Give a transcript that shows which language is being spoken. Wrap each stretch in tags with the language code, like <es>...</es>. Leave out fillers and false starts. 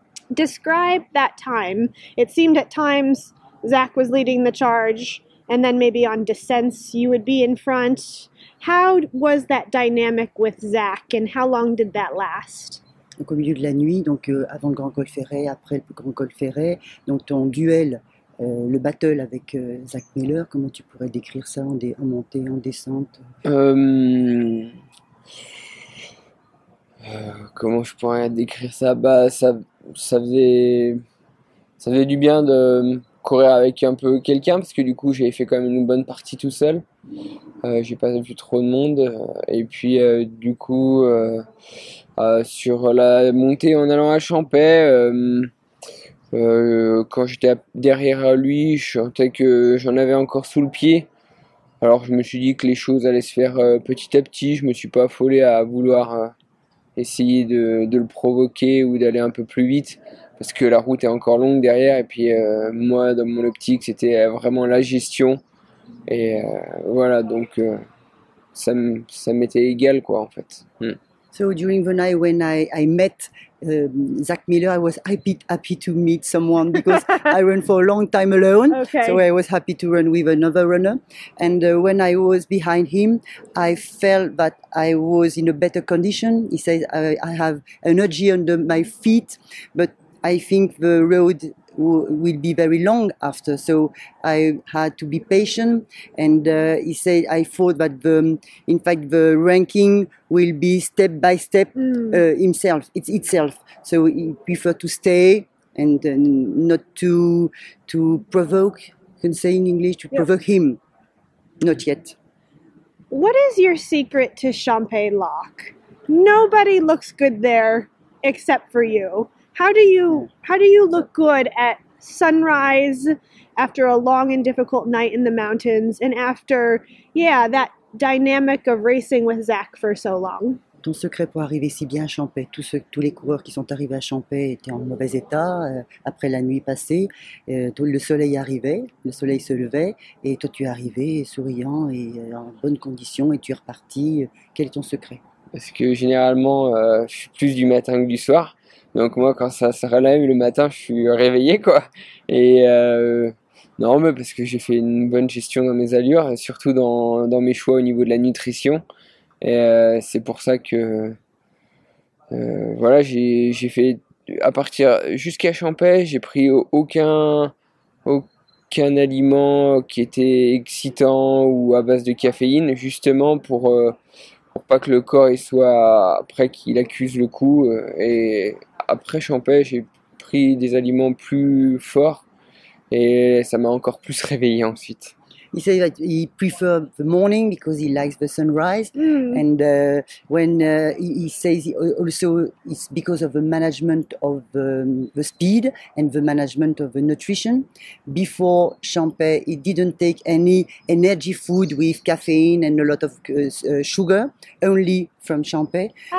<en>Describe that time. It seemed at times Zach was leading the charge, and then maybe on descents you would be in front. How was that dynamic with Zach, and how long did that last?</en> <fr>Donc, au milieu de la nuit, donc avant le grand col ferré, après le grand col ferré, donc ton duel, le battle avec Zach Miller, comment tu pourrais décrire ça en montée, en descente? Comment je pourrais décrire ça? Bah, ça faisait du bien de courir avec un peu quelqu'un, parce que du coup j'avais fait quand même une bonne partie tout seul. J'ai pas vu trop de monde. Et puis du coup, sur la montée en allant à Champais, quand j'étais derrière lui, je sentais que j'en avais encore sous le pied. Alors je me suis dit que les choses allaient se faire petit à petit. Je me suis pas affolé à vouloir essayer de le provoquer ou d'aller un peu plus vite, parce que la route est encore longue derrière. Et puis moi, dans mon optique, c'était vraiment la gestion. Et voilà, donc ça m'était égal, quoi, en fait.</fr> <en>So during the night when I met Zach Miller, I was happy to meet someone, because I ran for a long time alone. Okay. So I was happy to run with another runner. And when I was behind him, I felt that I was in a better condition. He says I have energy under my feet, but I think the road will be very long after, so I had to be patient. And he said, I thought that the ranking will be step by step itself. So he preferred to stay and not to provoke, you can say in English, to provoke him. Not yet. What is your secret to Champagne Lock? Nobody looks good there except for you. How do you look good at sunrise after a long and difficult night in the mountains, and after that dynamic of racing with Zach for so long?</en> <fr>Ton secret pour arriver si bien à Champais, tous les coureurs qui sont arrivés à Champais étaient en mauvais état après la nuit passée. Le soleil se levait, et toi tu es arrivé souriant et en bonne condition, et tu es reparti. Quel est ton secret? Parce que généralement je suis plus du matin que du soir. Donc moi, quand ça se relève le matin, je suis réveillé, quoi. Et non, mais parce que j'ai fait une bonne gestion dans mes allures, et surtout dans mes choix au niveau de la nutrition. Et c'est pour ça que voilà, j'ai fait à partir jusqu'à Champais, j'ai pris aucun aliment qui était excitant ou à base de caféine, justement pour pas que le corps il soit après qu'il accuse le coup. Et après Champais, j'ai pris des aliments plus forts et ça m'a encore plus réveillé ensuite.</fr> <en>He said that he prefers the morning because he likes the sunrise. And when he says also it's because of the management of the speed and the management of the nutrition. Before Champais, he didn't take any energy food with caffeine and a lot of sugar, only from Champais.</en>